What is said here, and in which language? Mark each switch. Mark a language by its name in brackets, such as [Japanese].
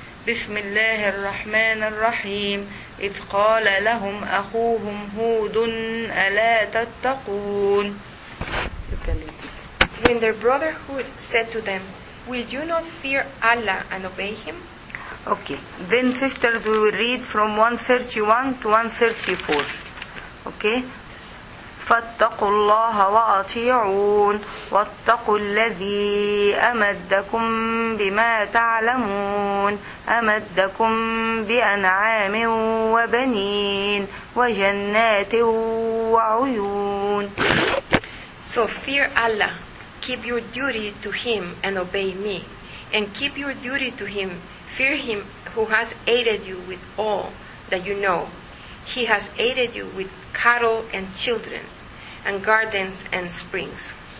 [Arabic] بسم الله الرحمن الرحيم إذ قال لهم أخوهم هود ألا تتقون. [English] When their brother Hud said to them, will you not fear Allah and obey him? Okay, then sisters, we will read from 131 to 134. Okay. [Arabic] فاتقوا الله وأطيعون واتقوا الذي أمدكم بما تعلمون أمدكم بأنعام وبنين وجنات وعيون. [English] So fear Allah, keep your duty to Him and obey me, and keep your duty to Him, fear Him who has aided you with all that you know. He has aided you with cattle and children, and gardens and springs.